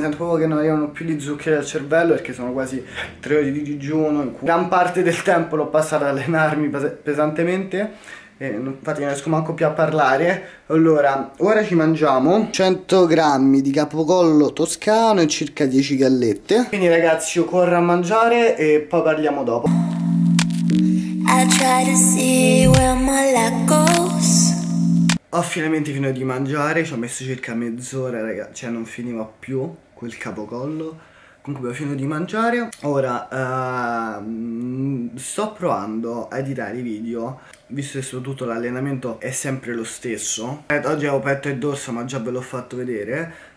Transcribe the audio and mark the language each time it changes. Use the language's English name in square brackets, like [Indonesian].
[Italian] Sento proprio che non arrivano più gli zuccheri al cervello perché sono quasi 3 ore di digiuno, in cui gran parte del tempo l'ho passato ad allenarmi pesantemente. Infatti, non riesco manco più a parlare. Allora, ora ci mangiamo 100 grammi di capocollo toscano e circa 10 gallette. Quindi, ragazzi, io corro a mangiare e poi parliamo dopo. [English] I try to see where my life goes. [Italian] Ho finalmente finito di mangiare. Ci ho messo circa mezz'ora, ragazzi. Cioè, non finiva più quel capocollo. Comunque, ho finito di mangiare. Ora, sto provando a editare i video. Visto che soprattutto l'allenamento è sempre lo stesso. Oggi avevo petto e dorsa, ma già ve l'ho fatto vedere.